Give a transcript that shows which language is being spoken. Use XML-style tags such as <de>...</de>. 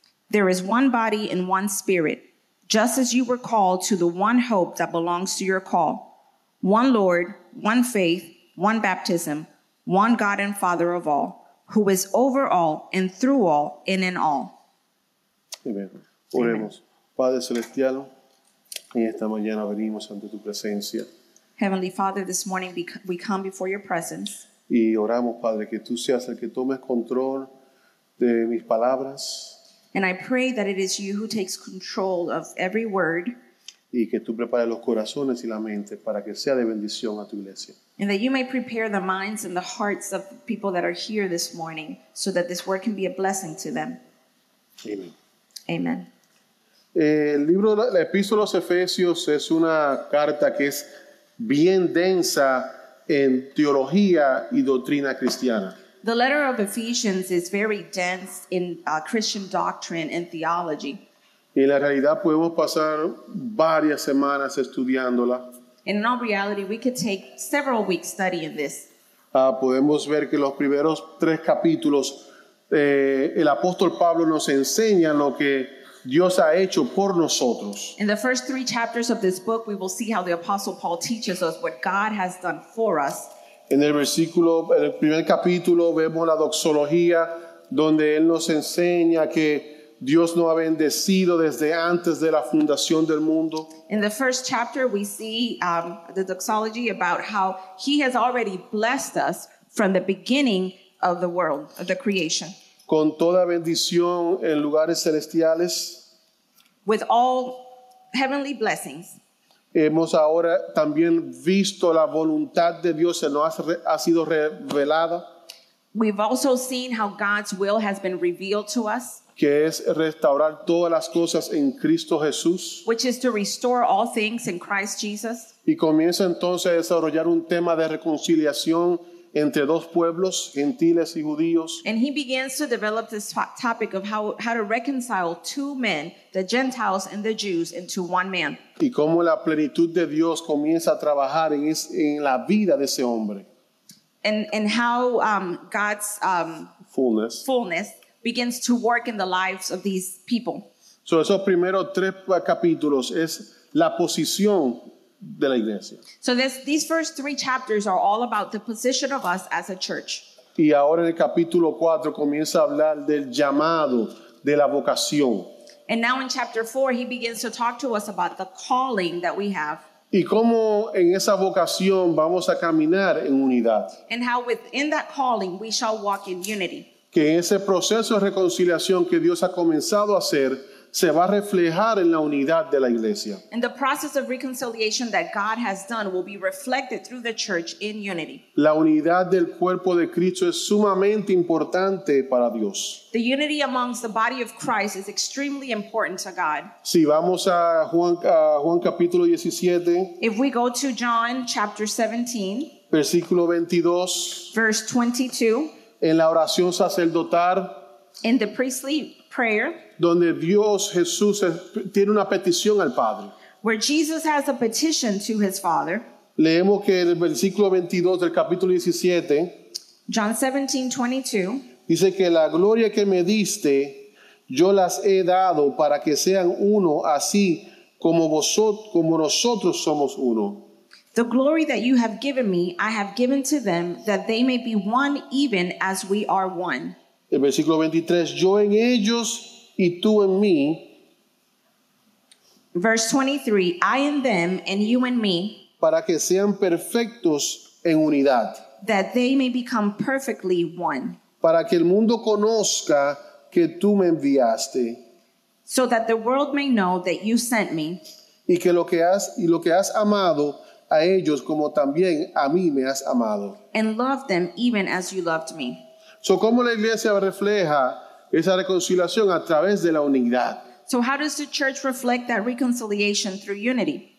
<en>There is one body and one Spirit, just as you were called to the one hope that belongs to your call, one Lord, one faith, one baptism, one God and Father of all, who is over all and through all and in all.</en> <es>Amen. Oremos. Amen. Padre Celestial, en esta mañana venimos ante tu presencia.</es> <en>Heavenly Father, this morning we come before your presence.</en> <es>Y oramos, Padre, que tú seas el que tomes control de mis palabras.</es> <en>And I pray that it is you who takes control of every word.</en> <es>Y que tú prepares los corazones y la mente para que sea de bendición a tu iglesia.</es> <en>And that you may prepare the minds and the hearts of people that are here this morning so that this word can be a blessing to them. Amen. Amen.</en> <es>El libro, la epístola a Efesios es una carta que es bien densa en teología y doctrina cristiana.</es> <en>The letter of Ephesians is very dense in Christian doctrine and theology.</en> <es>Y en la realidad podemos pasar varias semanas estudiándola.</es> <en>And in all reality, we could take several weeks studying this.</en> <es>Podemos ver que los primeros tres capítulos, el apóstol Pablo nos enseña lo que Dios ha hecho por nosotros.</es> <en>In the first three chapters of this book, we will see how the apostle Paul teaches us what God has done for us.</en> <es>En el versículo, en el primer capítulo, vemos la doxología, donde él nos enseña que Dios no ha bendecido desde antes de la fundación del mundo.</es> <en>In the first chapter, we see the doxology about how he has already blessed us from the beginning of the world, of the creation.</en> <es>Con toda bendición en lugares celestiales.</es> <en>With all heavenly blessings.</en> <es>Hemos ahora también visto la voluntad de Dios se nos ha sido revelada.</es> <en>We've also seen how God's will has been revealed to us.</en> <es>Que es restaurar todas las cosas en Cristo Jesús.</es> <en>Which is to restore all things in Christ Jesus.</en> <es>Y comienza entonces a desarrollar un tema de reconciliación entre dos pueblos, gentiles y judíos.</es> <en>And he begins to develop this topic of how to reconcile two men, the Gentiles and the Jews, into one man.</en> <es>Y cómo la plenitud de Dios comienza a trabajar en la vida de ese hombre.</es> <en>And how God's fullness begins to work in the lives of these people.</en> <es>So esos primeros tres capítulos es la posición de la iglesia.</es> <en>So these first three chapters are all about the position of us as a church.</en> <es>Y ahora en el capítulo 4 comienza a hablar del llamado, de la vocación.</es> <en>And now in chapter 4 he begins to talk to us about the calling that we have.</en> <es>Y cómo en esa vocación vamos a caminar en unidad.</es> <en>And how within that calling we shall walk in unity.</en> <es>Que ese proceso de reconciliación que Dios ha comenzado a hacer se va a reflejar en la unidad de la iglesia.</es> <en>And the process of reconciliation that God has done will be reflected through the church in unity.</en> <es>La unidad del cuerpo de Cristo es sumamente importante para Dios.</es> <en>The unity amongst the body of Christ is extremely important to God.</en> <es>Si vamos a Juan capítulo 17.</es> <en>If we go to John chapter 17.</en> <es>Versículo 22.</es> <en>Verse 22.</en> <es>En la oración sacerdotal.</es> <en>In the priestly prayer.</en> <es>Donde Dios Jesús tiene una petición al Padre.</es> <en>Where Jesus has a petition to his Father.</en> <es>Leemos que en el versículo 22 del capítulo 17.</es> <en>John 17:22.</en> <es>Dice que la gloria que me diste, yo las he dado para que sean uno así como como nosotros somos uno.</es> <en>The glory that you have given me, I have given to them that they may be one even as we are one.</en> <es>El versículo 23, yo en ellos y tú en mí.</es> <en>Verse 23, I in them and you in me.</en> <es>Para que sean perfectos en unidad.</es> <en>That they may become perfectly one.</en> <es>Para que el mundo conozca que tú me enviaste.</es> <en>So that the world may know that you sent me.</en> <es>Y que lo que has amado a ellos como también a mí me has amado.</es> <en>And love them even as you loved me.</en> <es>So como la iglesia refleja esa reconciliación a través de la unidad.</es> <en>So how does the church reflect that reconciliation through unity?</en>